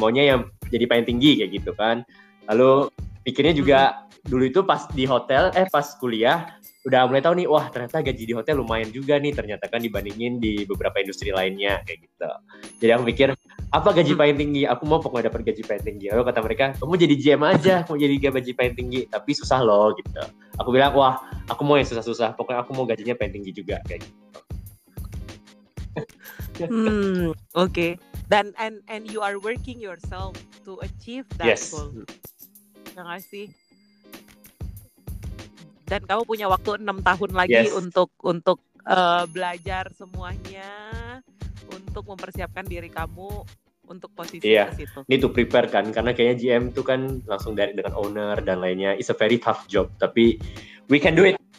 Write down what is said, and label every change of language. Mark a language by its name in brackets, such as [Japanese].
[Indonesian] Maunya yang jadi paling tinggi kayak gitu kan. Lalu pikirnya juga dulu itu pas di hotel, pas kuliah, udah mulai tahu nih, wah ternyata gaji di hotel lumayan juga nih, ternyata kan dibandingin di beberapa industri lainnya, kayak gitu. Jadi aku mikir, apa gaji paling tinggi? Aku mau pokoknya dapat gaji paling tinggi. Lalu kata mereka, kamu jadi GM aja, mau jadi gaji paling tinggi, tapi susah loh, gitu. Aku bilang, wah aku mau yang susah-susah, pokoknya aku mau gajinya paling tinggi juga, kayak gitu. [English] Okay. Then, and you are working yourself to achieve that yes. goal. [Indonesian] Terima kasih. Dan kamu punya waktu 6 tahun lagi [English] yes. [Indonesian] untuk belajar semuanya, untuk mempersiapkan diri kamu untuk posisi di situ. [English] Need to prepare [Indonesian] kan, karena kayaknya GM itu kan langsung direct dengan owner dan lainnya. [English] It's a very tough job, [Indonesian] tapi [English] we can do it.